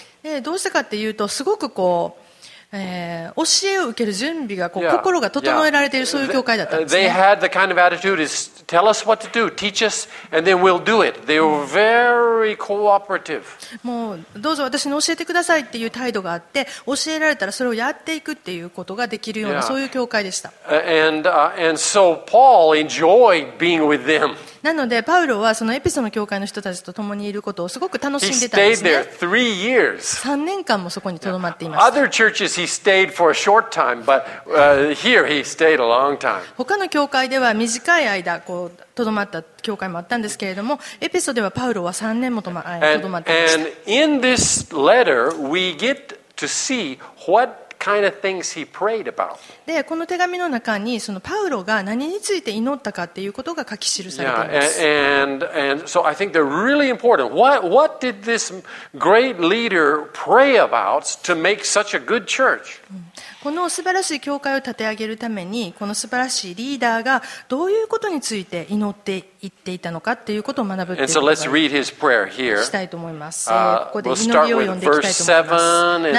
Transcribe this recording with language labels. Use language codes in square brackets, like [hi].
[ja] で、どうしてかっていうとすごくこう。教えを受ける準備がこう心が整えられているそういう教会だったんですね。 [en] They had the kind of attitude is tell us what to do, teach us, and then we'll do it. They were very cooperative. [ja] もうどうぞ私に教えてくださいっていう態度があって、教えられたらそれをやっていくっていうことができるようなそういう教会でした。 [en] And so Paul enjoyed being with them. [ja] なのでパウロはそのエピソの教会の人たちと共にいることをすごく楽しんでたんです [en] ね。He stayed there 3 years. [ja] 3年間もそこに留まっていました。 [en] Other churches He stayed for a short time, but here he stayed a long time. [ja] 他の教会では短い間こう留まった教会もあったんですけれども、エペソではパウロは3年も留まっていました。 [en] And in this letter, we get to see what kind of things he prayed about. [ja] で、この手紙の中にそのパウロが何について祈ったかっていうことが書き記されています。 [en] Yeah, and so I think they're really important. What did this great leader pray about to make such a good church? [ja] この素晴らしい教会を立て上げるためにこの素晴らしいリーダーがどういうことについて祈っていっていたのかということを学ぶということしたいと思います。ここで祈りを読んでいきたいと思います。